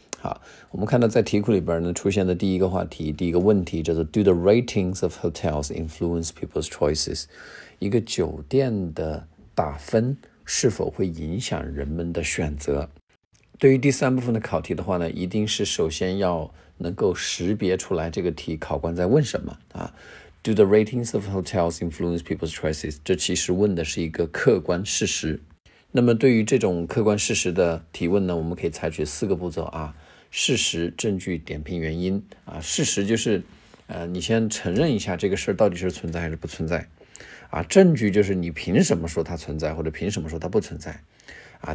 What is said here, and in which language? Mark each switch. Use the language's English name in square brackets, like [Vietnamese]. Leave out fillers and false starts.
[Chinese] 好，我们看到在题库里边呢，出现的第一个话题，第一个问题叫做 Do the ratings of hotels influence people's choices? 一个酒店的打分是否会影响人们的选择？对于第三部分的考题的话呢，一定是首先要能够识别出来这个题考官在问什么啊。 [English] Do the ratings of hotels influence people's choices? [Chinese] 这其实问的是一个客观事实。那么对于这种客观事实的提问呢，我们可以采取四个步骤啊。事实、证据、点评原因啊。事实就是你先承认一下这个事到底是存在还是不存在啊。证据就是你凭什么说它存在或者凭什么说它不存在啊。